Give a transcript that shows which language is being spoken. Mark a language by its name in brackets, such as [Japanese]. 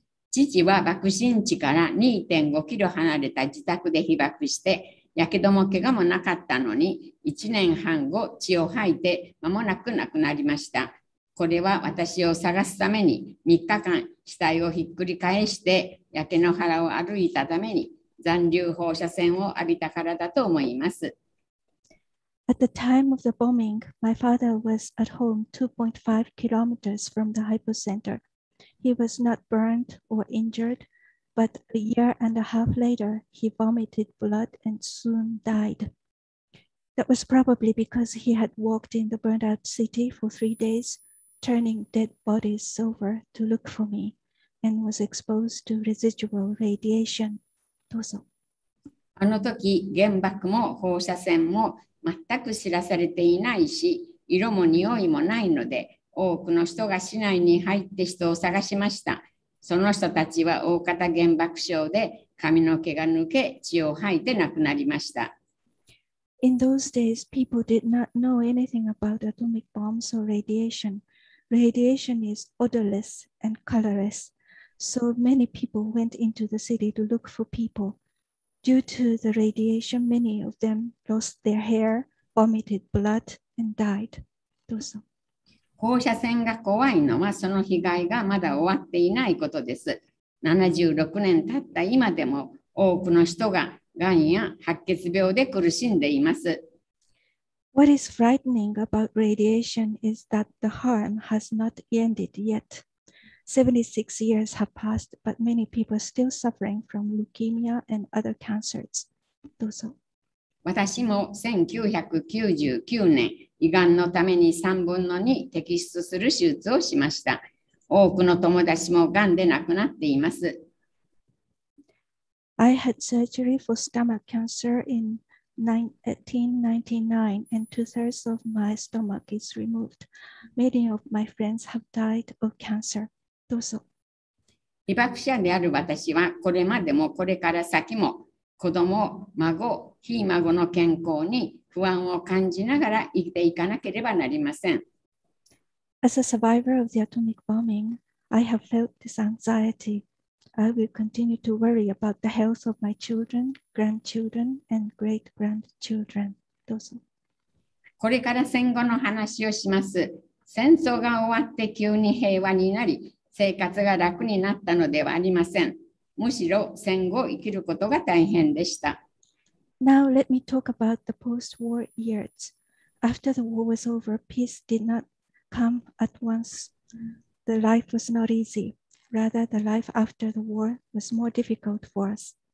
[Japanese] 父は爆心地から 2.5 キロ離れた自宅で被爆して、やけども怪我もなかったのに、1年半後血を吐いて間もなく亡くなりました。これは私を探すために3日間死体をひっくり返して、焼け野原を歩いたために残留放射線を浴びたからだと思います。 [English] At the time of the bombing, my father was at home 2.5 kilometers from the hypocenter. He was not burned or injured, but a year and a half later, he vomited blood and soon died. That was probably because he had walked in the burned-out city for 3 days, turning dead bodies over to look for me, and was exposed to residual radiation. [Japanese] どうぞ。あの時、原爆も放射線も全く知らされていないし、色も匂いもないので、多くの人が市内に入って人を探しました。その人たちは大方原爆症で、髪の毛が抜け、血を吐いて亡くなりました。 [English] In those days, people did not know anything about atomic bombs or radiation. Radiation is odorless and colorless. So many people went into the city to look for people. Due to the radiation, many of them lost their hair, vomited blood, and died. [Japanese] どうぞ。放射線が怖いのはその被害がまだ終わっていないことです。 76年経った今でも多くの人が癌や白血病で苦しんでいます。 [English] What is frightening about radiation is that the harm has not ended yet. 76 years have passed, but many people are still suffering from leukemia and other cancers. [Japanese] どうぞ。私も1999年、胃がんのために3分の2摘出する手術をしました。多くの友達もがんで亡くなっています。 [English] I had surgery for stomach cancer in 1999 and two-thirds of my stomach is removed. Many of my friends have died of cancer. [Japanese] どうぞ。被爆者である私はこれまでもこれから先も子供、孫、非孫の健康に不安を感じながら生きていかなければなりません。 [English] As a survivor of the atomic bombing, I have felt this anxiety. I will continue to worry about the health of my children, grandchildren, and great-grandchildren. [Japanese] どうぞ。これから戦後の話をします。戦争が終わって急に平和になり、生活が楽になったのではありません。むしろ戦後生きることが大変でした。 [English] Now let me talk about the post-war years. After the war was over, peace did not come at once. The life was not easy. Rather, the life after the war was more difficult for us.